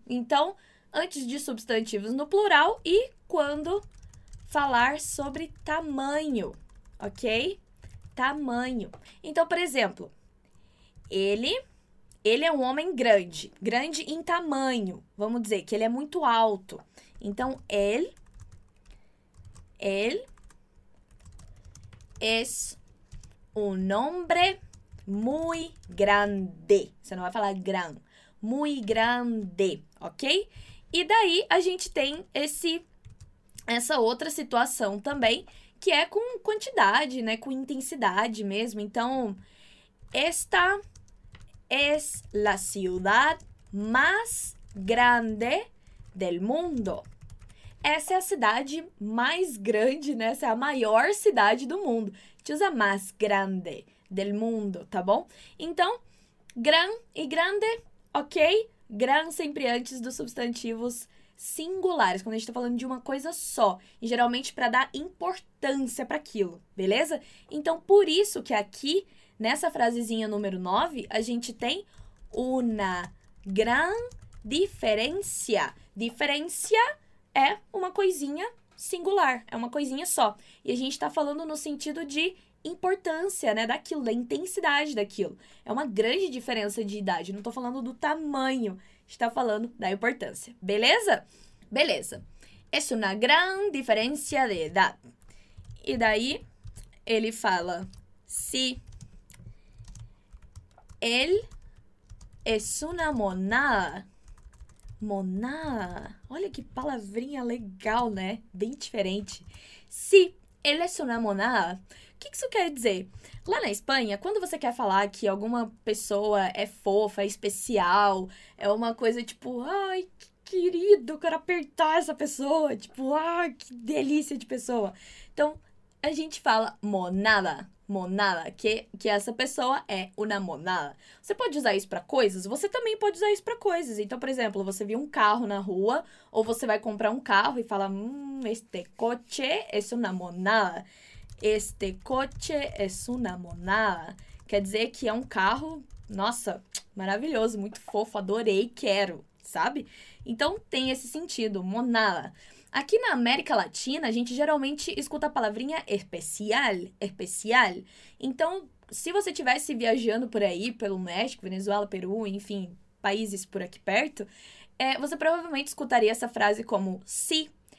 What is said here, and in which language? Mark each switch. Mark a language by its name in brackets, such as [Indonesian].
[Portuguese] Então, antes de substantivos no plural e quando falar sobre tamanho, ok? Tamanho. Então, por exemplo, ele é um homem grande, grande em tamanho. Vamos dizer que ele é muito alto. [Spanish] Então, él es un hombre muy grande. [Portuguese] Você não vai falar gran, muy grande, ok? E daí a gente tem essa outra situação também, que é com quantidade, né? Com intensidade mesmo. [Spanish] Então, esta es la ciudad más grande del mundo. [Portuguese] Essa é a cidade mais grande, né? Essa é a maior cidade do mundo. A gente usa [Spanish] más grande del mundo, [Portuguese] tá bom? Então, gran e grande, ok? Gran sempre antes dos substantivos singulares, quando a gente tá falando de uma coisa só, e geralmente para dar importância para aquilo, beleza? Então, por isso que aqui, nessa frasezinha número 9, a gente tem [Spanish] una gran diferencia. [Portuguese] Diferencia é uma coisinha singular, é uma coisinha só. E a gente tá falando no sentido de importância, né, daquilo, da intensidade daquilo. É uma grande diferença de idade, não tô falando do tamanho, está falando da importância, beleza? Beleza. [Spanish] Es una gran diferencia de edad. [Portuguese] E daí, ele fala, [Spanish] si, él es una monada. [Portuguese] Monada, olha que palavrinha legal, né? Bem diferente. [Spanish] Si, él es una monada. [Portuguese] O que isso quer dizer? Lá na Espanha, quando você quer falar que alguma pessoa é fofa, é especial, é uma coisa tipo, ai, que querido, eu quero apertar essa pessoa, tipo, ai, que delícia de pessoa. Então, a gente fala monada, monada, que essa pessoa é [Spanish] una monada. [Portuguese] Você pode usar isso pra coisas? Você também pode usar isso pra coisas. Então, por exemplo, você viu um carro na rua, ou você vai comprar um carro e fala, [Spanish] este coche es una monada. Este coche es una monada. [Portuguese] Quer dizer que é um carro, nossa, maravilhoso, muito fofo, adorei, quero, sabe? Então, tem esse sentido, monada. Aqui na América Latina, a gente geralmente escuta a palavrinha especial, especial. Então, se você estivesse viajando por aí, pelo México, Venezuela, Peru, enfim, países por aqui perto, você provavelmente escutaria essa frase como si.